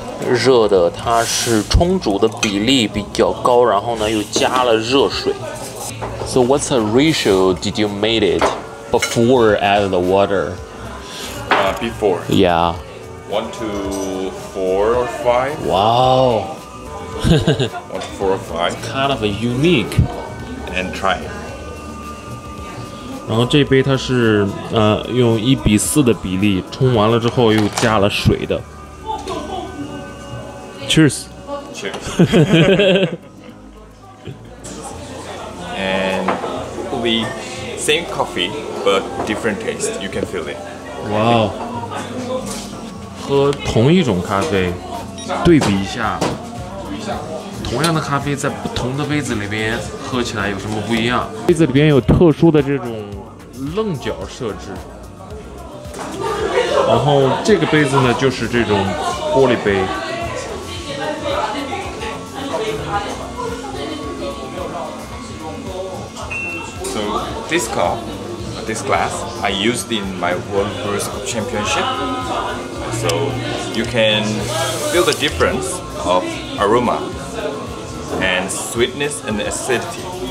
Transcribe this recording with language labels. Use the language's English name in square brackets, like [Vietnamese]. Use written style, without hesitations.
[Chinese] 热的，它是冲煮的比例比较高，然后呢又加了热水。 [English] So what's the ratio did you made it before add the water? Before. Yeah. 1, 2, 4, or 5. Wow. 1, 2, 4, or 5. It's kind of a unique. And try. [Chinese] 然后这杯它是用1:4的比例冲完了之后又加了水的。 [English] Cheers. Cheers. And the same coffee but different taste. You can feel it. Wow. [Chinese] 喝同一种咖啡，对比一下，同样的咖啡在不同的杯子里边喝起来有什么不一样？杯子里边有特殊的这种。棱角设置，然后这个杯子呢就是这种玻璃杯， [English] so this glass I used in my World First Championship, so you can feel the difference of aroma and sweetness and acidity.